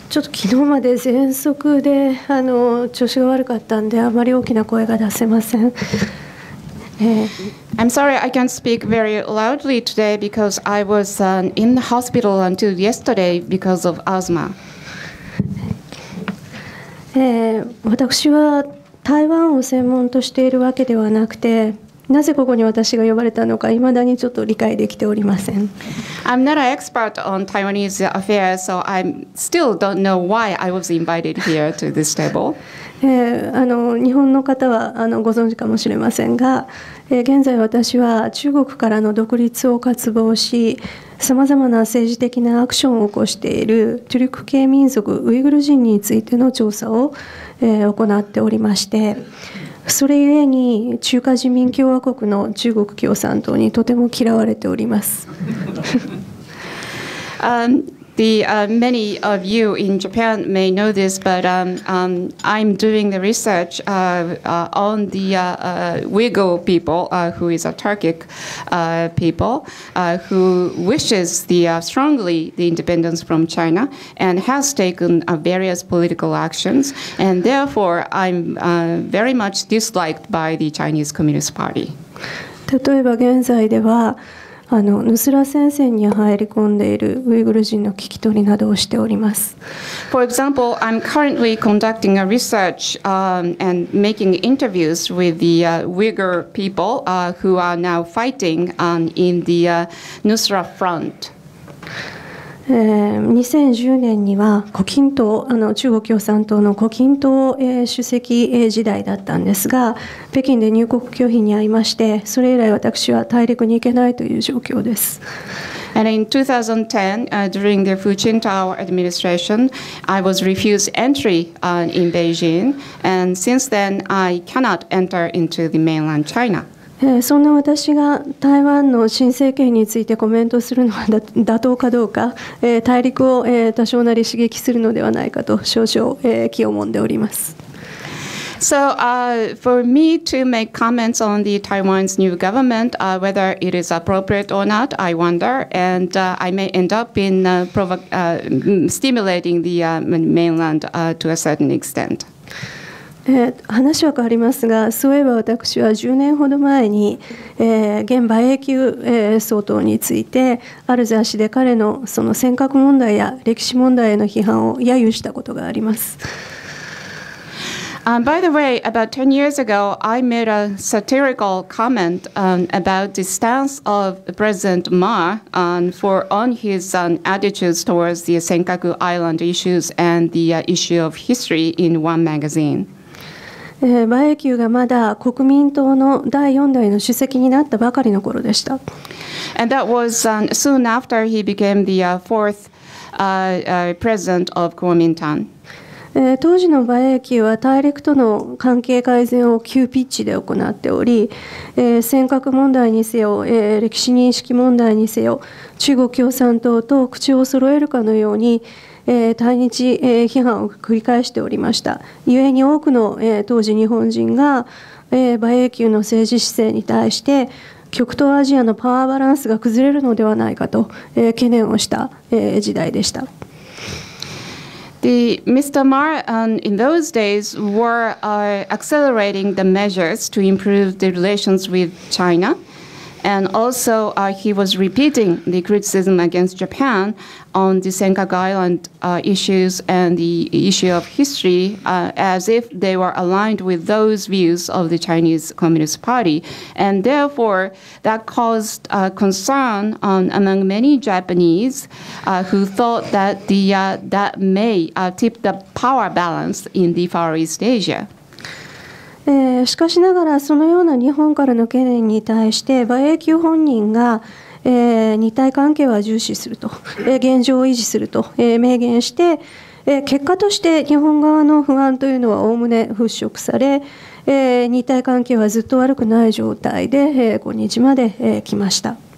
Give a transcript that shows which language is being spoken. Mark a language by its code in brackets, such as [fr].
[ja] ちょっと昨日まで喘息で調子が悪かったんで、あまり大きな声が出せません。 [en] I'm sorry I can't speak very loudly today because I was in the hospital until yesterday because of asthma. [ja] 私は台湾を専門としているわけではなくて、なぜここに私が呼ばれたのか未だにちょっと理解できておりません。 [en] I'm not an expert on Taiwanese affairs, so I still don't know why I was invited here to this table. [ja] 日本の方はご存知かもしれませんが、現在私は中国からの独立を渇望し、さまざまな政治的なアクションを起こしているトゥルク系民族ウイグル人についての調査を行っておりまして、それゆえに中華人民共和国の中国共産党にとても嫌われております。 [en] the many of you in Japan may know this, but I'm doing the research on the Uyghur people, who is a Turkic people, who wishes the strongly the independence from China and has taken various political actions, and therefore I'm very much disliked by the Chinese Communist Party. [ja] 例えば現在ではヌスラ戦線に入り込んでいるウイグル人の聞き取りなどをしております。 [en] For example, I'm currently conducting a research, and making interviews with the Uyghur people, who are now fighting, in the Nusra front. [ja] 2010年には胡錦涛、中国共産党の胡錦涛、主席時代だったんですが、北京で入国拒否に遭いまして、それ以来私は大陸に行けないという状況です。 [en] And in 2010, during the Fu Jintao administration, I was refused entry in Beijing, and since then I cannot enter into the mainland China. [ja] そんな私が台湾の新政権についてコメントするのは妥当かどうか、大陸を多少なり刺激するのではないかと少々、気をもんでおります。 [en] So, for me to make comments on the Taiwan's new government, whether it is appropriate or not, I wonder, and I may end up in stimulating the mainland to a certain extent. [ja] 話は変わりますが、そういえば私は10年ほど前に、現馬英九、総統についてある雑誌で彼のその尖閣問題や歴史問題への批判を揶揄したことがあります。 [en] By the way, about 10 years ago, I made a satirical comment about the stance of President Ma on his attitudes towards the Senkaku Island issues and the issue of history in one magazine. [ja] 馬英九がまだ国民党の第4代の主席になったばかりの頃でした。 [en] And that was soon after he became the fourth president of Kuomintang. [ja] 当時の馬英九は大陸との関係改善を急ピッチで行っており、尖閣問題にせよ、歴史認識問題にせよ、中国共産党と口を揃えるかのように、対日批判を繰り返しておりました。故に多くの当時日本人が馬英九の政治姿勢に対して極東アジアのパワーバランスが崩れるのではないかと懸念をした時代でした。 [en] The Mr. Ma in those days were accelerating the measures to improve the relations with China. And also, he was repeating the criticism against Japan on the Senkaku Island issues and the issue of history as if they were aligned with those views of the Chinese Communist Party. And therefore, that caused concern among many Japanese who thought that that may tip the power balance in the Far East Asia. [ja] しかしながらそのような日本からの懸念に対して馬英九本人が、日台関係は重視すると、現状を維持すると、明言して、結果として日本側の不安というのはおおむね払拭され、日台関係はずっと悪くない状態で、今日まで、来ました。